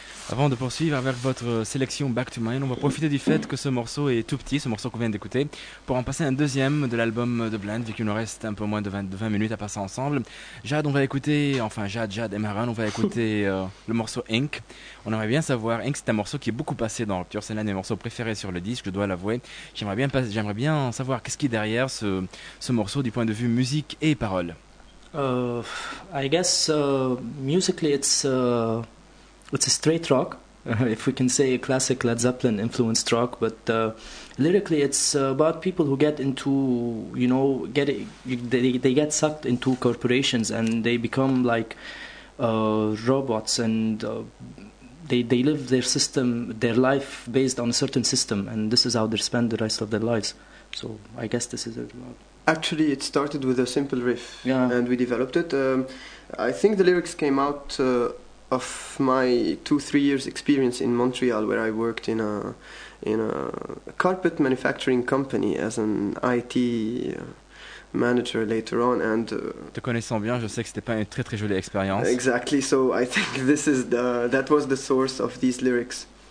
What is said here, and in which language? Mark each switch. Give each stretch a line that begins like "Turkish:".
French: avant de poursuivre avec votre sélection Back to Mine, on va profiter du fait que ce morceau est tout petit, ce morceau qu'on vient d'écouter, pour en passer un deuxième de l'album de Blind, vu qu'il nous reste un peu moins de 20 minutes à passer ensemble. Jade et Maran, on va écouter le morceau Ink. On aimerait bien savoir, Ink, c'est un morceau qui est beaucoup passé dans Rupture, c'est l'un des morceaux préférés sur le disque, je dois l'avouer. J'aimerais bien savoir qu'est-ce qui est derrière ce morceau du point de vue musique et paroles.
English: Musically it's a straight rock, if we can say a classic Led Zeppelin influenced rock, but lyrically it's about people who get into, you know, they get sucked into corporations and they become like robots, and they live their life based on a certain system, and this is how they spend the rest of their lives. So I guess this is it. Actually, it started with a simple riff, yeah, and we developed it. I think the lyrics came out of my 2-3 years experience in Montreal, where I worked in a carpet manufacturing company as an IT manager later on. And
French: te connaissant bien, je sais que c'était pas une très très jolie expérience.
English: Exactly. So I think that was the source of these lyrics.